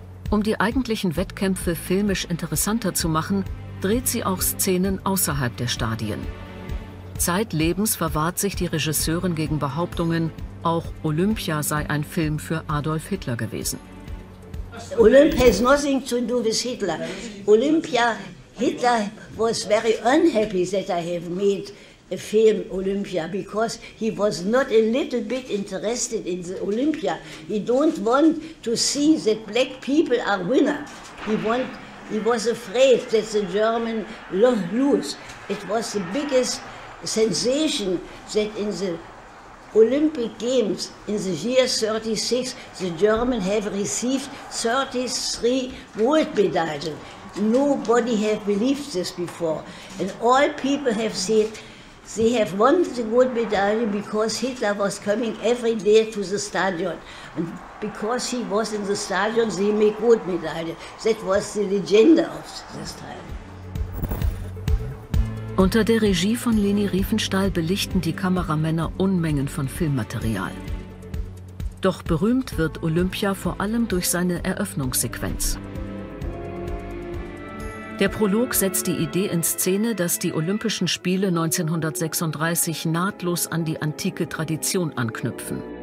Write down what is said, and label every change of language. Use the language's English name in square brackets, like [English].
[German] Um die eigentlichen Wettkämpfe filmisch interessanter zu machen, dreht sie auch Szenen außerhalb der Stadien. Zeitlebens verwahrt sich die Regisseurin gegen Behauptungen, auch Olympia sei ein Film für Adolf Hitler gewesen. [English] Olympia has nothing to do with Hitler. Olympia, Hitler was very unhappy that I have made a film Olympia, because he was not a little bit interested in the Olympia. He don't want to see that black people are winner. He was afraid that the German lose. It was the biggest sensation that in the Olympic Games in the year 36, the German have received 33 gold medals. Nobody have believed this before. And all people have said they have won the gold medal because Hitler was coming every day to the stadium. And because he was in the stadium, they make gold medal. That was the legend of this time. [German] Unter der Regie von Leni Riefenstahl belichten die Kameramänner Unmengen von Filmmaterial. Doch berühmt wird Olympia vor allem durch seine Eröffnungssequenz. Der Prolog setzt die Idee in Szene, dass die Olympischen Spiele 1936 nahtlos an die antike Tradition anknüpfen.